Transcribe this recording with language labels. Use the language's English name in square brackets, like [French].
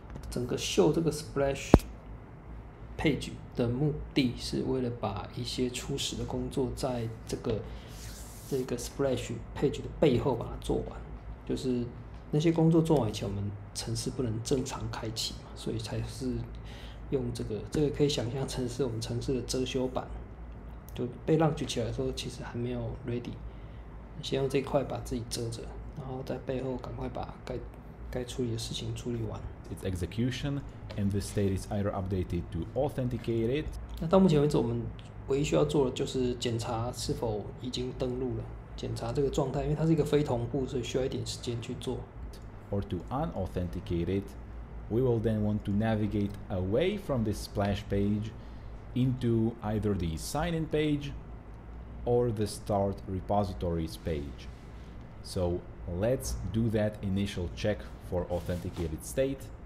[Chinese] 整个秀这个 splash page 的目的是为了把一些初始的工作在这个 splash page 的背后把它做完，就是那些工作做完以前，我们程式不能正常开启嘛，所以才是用这个可以想象成是我们程式的遮羞版，就被 launch 起来的时候其实还没有 ready， 先用这块把自己遮着，然后在背后赶快把该处理的事情处理完。 [English] Its execution and the state is either updated to authenticate it. [Chinese] 那到目前为止，我们唯一需要做的就是检查是否已经登录了，检查这个状态，因为它是一个非同步，所以需要一点时间去做。 [English] Or to unauthenticate it, we will then want to navigate away from this splash page into either the sign-in page or the start repositories page. So let's do that initial check for authenticated state.